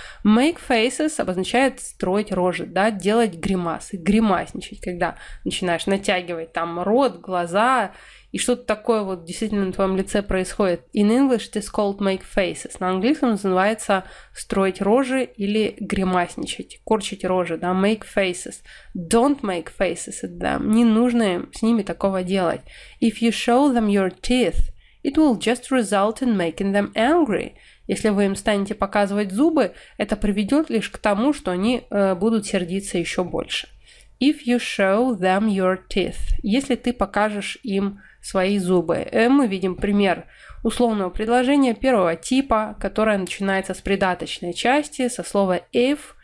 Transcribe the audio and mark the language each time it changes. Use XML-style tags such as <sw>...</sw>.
<ru>Make faces обозначает строить рожи, да, делать гримасы, гримасничать, когда начинаешь натягивать там рот, глаза и что-то такое вот действительно на твоем лице происходит.</ru> <en>In English it is called make faces,</en> <ru>на английском называется строить рожи или гримасничать, корчить рожи, да, make faces.</ru> <en>Don't make faces at them.</en> <ru>Не нужно с ними такого делать.</ru> <en>If you show them your teeth, it will just result in making them angry.</en> <ru>Если вы им станете показывать зубы, это приведет лишь к тому, что они будут сердиться еще больше.</ru> <en>If you show them your teeth.</en> <ru>Если ты покажешь им свои зубы. Мы видим пример условного предложения первого типа, которое начинается с придаточной части, со слова if.</ru>